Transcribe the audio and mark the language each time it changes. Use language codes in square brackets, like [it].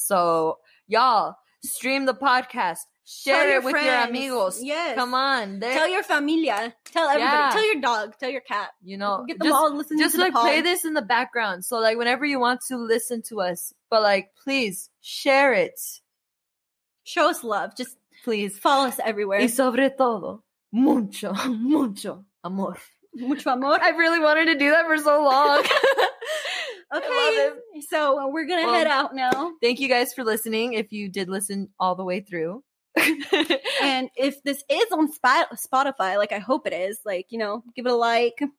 [en] So, y'all, stream the podcast. Share it with your amigos. Yes. Come on. Tell your familia. Tell everybody. Yeah. Tell your dog. Tell your cat. You know, get them all listening to the pod. Just like play this in the background. So, like, whenever you want to listen to us, but like, please share it. Show us love. Just please follow us everywhere. [es] Y sobre todo, mucho, mucho amor. Mucho amor. [en] I really wanted to do that for so long. Okay. I love it. So we're going to head out now. Thank you guys for listening. If you did listen all the way through. And if this is on Spotify, like I hope it is, like, you know, give it a like.